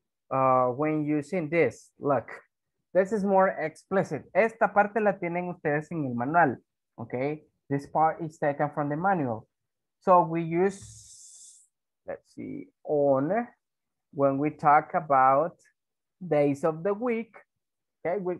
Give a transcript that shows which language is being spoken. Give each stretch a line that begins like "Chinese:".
English: When using this, look, this is more explicit.
Spanish: Esta parte la tienen ustedes en el manual, okay?
English: This part is taken from the manual. So we use, let's see, on, when we talk about days of the week, okay?